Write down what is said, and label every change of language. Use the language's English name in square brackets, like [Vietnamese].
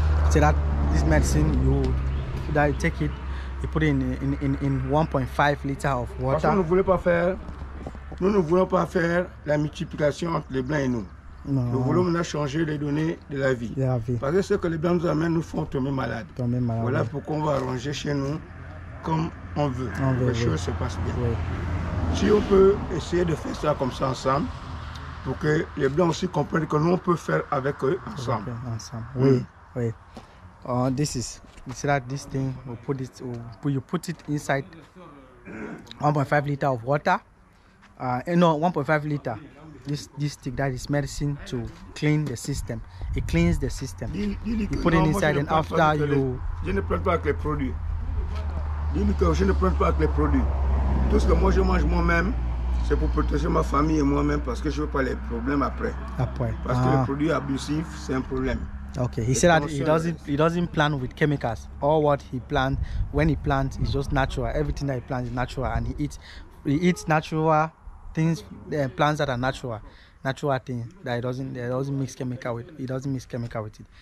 [English] So that this medicine you that you take it, you put it in 1.5 liter of water. [French] Parce que nous ne voulons pas faire, nous ne voulons pas faire la multiplication entre les blancs et nous. Non. Nous voulons maintenant changer les données de la vie. De la vie. Parce que ce que les blancs nous amènent nous font tomber malades. Tomber malade. Voilà pourquoi on va arranger chez nous comme on veut. On veut. Les choses se passent bien. Oui. Si on peut essayer de faire ça comme ça ensemble, pour que les blancs aussi comprennent que nous on peut faire avec eux ensemble. Okay. Ensemble. Oui. Mmh. Oui. [English] This is that this thing we put it you put it inside 1.5 liter of water. No, 1.5 liter. This thing that is medicine to clean the system. It cleans the system. You put it inside and after you. [French] Je ne prends pas avec les produits. Je ne prends pas avec les produits. Tout ce que moi je mange moi-même, c'est pour protéger ma famille et moi-même parce que je veux pas les problèmes après. Après. Parce que les produits abusifs, c'est un problème. [English] Okay, he said that he doesn't plant with chemicals. All what he plants, when he plants, is just natural. Everything that he plants is natural, and he eats natural things, plants that are natural thing that he doesn't mix chemical with. He doesn't mix chemical with it.